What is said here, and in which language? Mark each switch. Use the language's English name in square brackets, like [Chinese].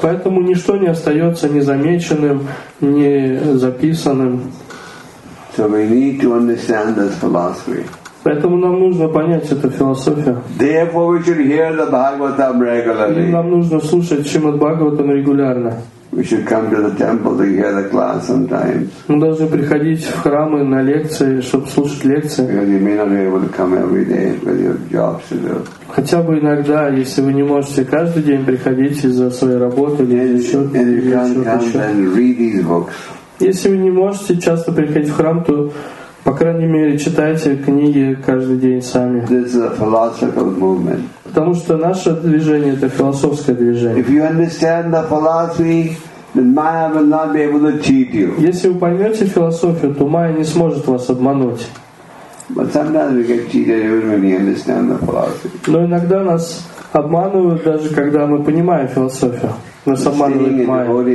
[Russian] Поэтому ничто не остается незамеченным, не записанным. [English] So we need to understand this philosophy. [Russian] Поэтому нам нужно понять эту философию. [English] Therefore we should hear the Bhagavatam regularly. [Russian] И нам нужно слушать Шримад Бхагаватам регулярно. [English] We should come to the temple to hear the class sometimes. [Russian] Мы должны приходить в храмы на лекции, чтобы слушать лекции. [English] Because you may not be able to come every day with your jobs to do. [Russian] Хотя бы иногда, если вы не можете каждый день приходить из-за своей работы или ещё. Если вы не можете часто приходить в храм, то по крайней мере, читайте книги каждый день сами. [English] This is a philosophical movement. [Russian] Потому что наше движение — это философское движение. [English] If you understand the philosophy, then Maya will not be able to cheat you. [Russian] Если вы поймете философию, то Майя не сможет вас обмануть. [English] But sometimes we get cheated even when we understand the philosophy. [Russian] Но иногда нас обманывают даже когда мы понимаем философию. Нас обманывает Майя.